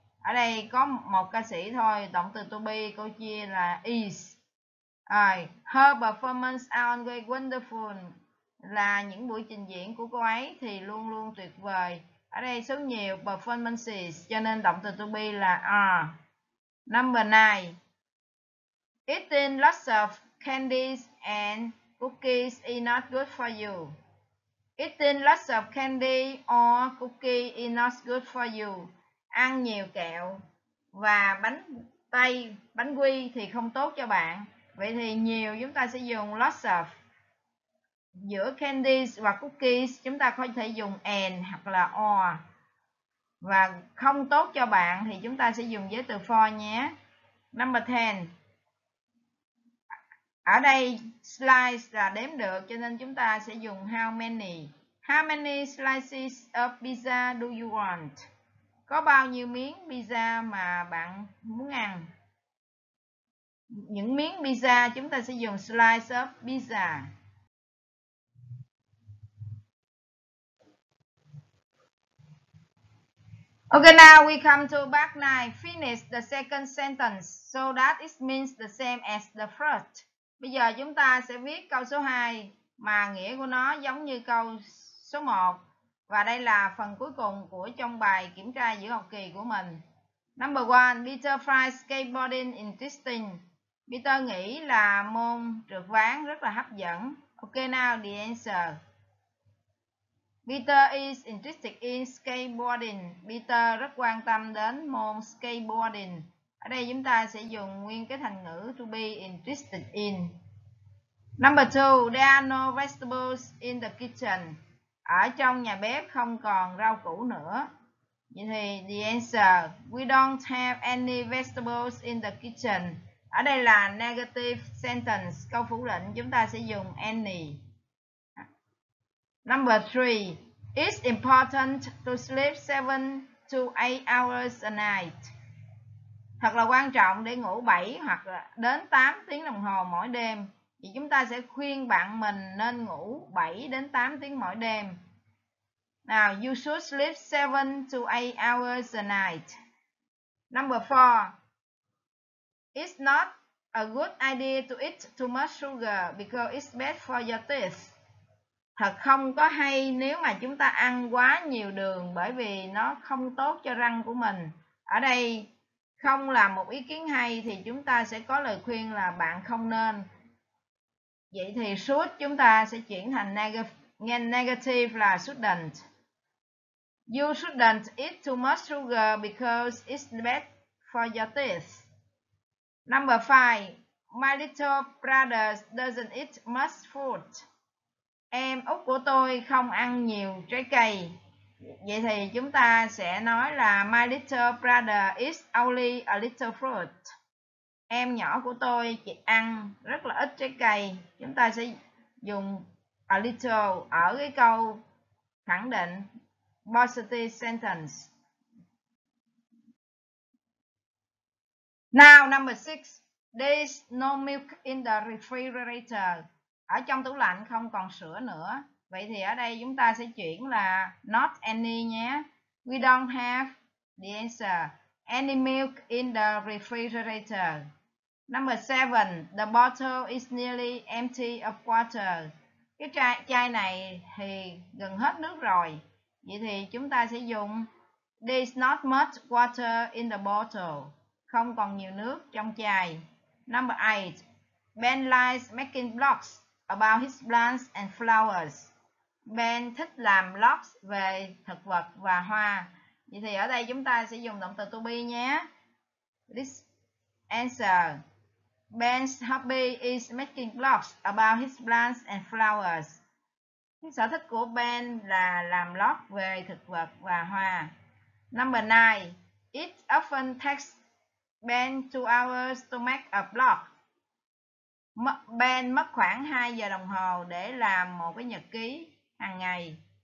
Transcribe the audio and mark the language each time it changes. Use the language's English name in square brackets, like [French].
[Vietnamese] Ở đây có một ca sĩ thôi, động từ to be, câu chia là is. [English] Her performances are always wonderful [Vietnamese] là những buổi trình diễn của cô ấy thì luôn luôn tuyệt vời. Ở đây số nhiều performances cho nên động từ to be là are. [English] Number 9. Eating lots of candies and cookies is not good for you. Eating lots of candy or cookies is not good for you. [Vietnamese] Ăn nhiều kẹo và bánh tây, bánh quy thì không tốt cho bạn. Vậy thì nhiều chúng ta sẽ dùng lots of. Giữa candies và cookies chúng ta có thể dùng and hoặc là or. Và không tốt cho bạn thì chúng ta sẽ dùng giới từ for nhé. [English] Number 10. [Vietnamese] Ở đây slice là đếm được cho nên chúng ta sẽ dùng how many. [English] How many slices of pizza do you want? [Vietnamese] Có bao nhiêu miếng pizza mà bạn muốn ăn? Những miếng pizza chúng ta sẽ dùng slice of pizza. [English] Ok, now we come to part 9. Finish the second sentence so that it means the same as the first. [Vietnamese] Bây giờ chúng ta sẽ viết câu số 2 mà nghĩa của nó giống như câu số 1. Và đây là phần cuối cùng của trong bài kiểm tra giữa học kỳ của mình. [English] Number 1. Peter finds skateboarding interesting. [Vietnamese] Peter nghĩ là môn trượt ván rất là hấp dẫn. [English] Ok now, the answer. Peter is interested in skateboarding. [Vietnamese] Peter rất quan tâm đến môn skateboarding. Ở đây chúng ta sẽ dùng nguyên cái thành ngữ to be interested in. [English] Number 2. There are no vegetables in the kitchen. [Vietnamese] Ở trong nhà bếp không còn rau củ nữa. Vậy thì [English] the answer, we don't have any vegetables in the kitchen. [Vietnamese] Ở đây là negative sentence, câu phủ định, chúng ta sẽ dùng any. [English] Number 3. It's important to sleep 7 to 8 hours a night. [Vietnamese] Thật là quan trọng để ngủ 7 hoặc đến 8 tiếng đồng hồ mỗi đêm. Thì chúng ta sẽ khuyên bạn mình nên ngủ 7 đến 8 tiếng mỗi đêm. [English] Now, you should sleep 7 to 8 hours a night. Number 4. It's not a good idea to eat too much sugar because it's bad for your teeth. [Vietnamese] Thật không có hay nếu mà chúng ta ăn quá nhiều đường bởi vì nó không tốt cho răng của mình. Ở đây không là một ý kiến hay thì chúng ta sẽ có lời khuyên là bạn không nên. Vậy thì should chúng ta sẽ chuyển thành negative là shouldn't. [English] You shouldn't eat too much sugar because it's bad for your teeth. Number five, my little brother doesn't eat much fruit. [Vietnamese] Em út của tôi không ăn nhiều trái cây. Vậy thì chúng ta sẽ nói là [English] my little brother eats only a little fruit. [Vietnamese] Em nhỏ của tôi chỉ ăn rất là ít trái cây. Chúng ta sẽ dùng a little ở cái câu khẳng định positive sentence. [English] Now number six, there's no milk in the refrigerator. [Vietnamese] Ở trong tủ lạnh không còn sữa nữa. Vậy thì ở đây chúng ta sẽ chuyển là not any nhé. [English] We don't have the answer. Any milk in the refrigerator. Number seven, the bottle is nearly empty of water. [Vietnamese] Cái chai này thì gần hết nước rồi. Vậy thì chúng ta sẽ dùng [English] there's not much water in the bottle. [Vietnamese] Không còn nhiều nước trong chai. [English] Number eight, Ben likes making blocks about his plants and flowers. [Vietnamese] Ben thích làm blocks về thực vật và hoa. Vậy thì ở đây chúng ta sẽ dùng động từ to be nhé. [English] This answer. Ben's hobby is making blocks about his plants and flowers. [Vietnamese] Sở thích của Ben là làm block về thực vật và hoa. [English] Number 9. It often takes Ben 2 hours to make a block. [Vietnamese] Ben mất khoảng 2 giờ đồng hồ để làm một cái nhật ký hàng ngày.